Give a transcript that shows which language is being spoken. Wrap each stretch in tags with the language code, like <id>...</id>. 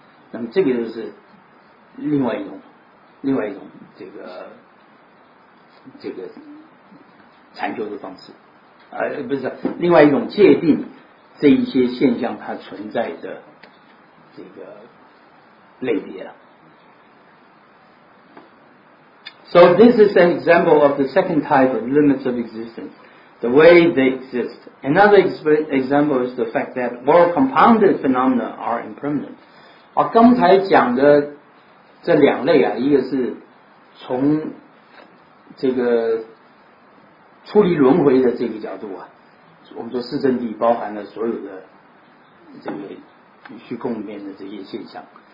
<zh>那么这个就是另外一种这个禅修的方式，不是另外一种界定这一些现象它存在的这个类别了。</zh> <en>So this is an example of the second type of limits of existence, the way they exist. Another example is the fact that world compounded phenomena are impermanent.</en> <zh>我刚才讲的这两类啊，一个是从这个出离轮回的这个角度啊，我们说四圣谛包含了所有的这个虚空里面的这些现象。</zh>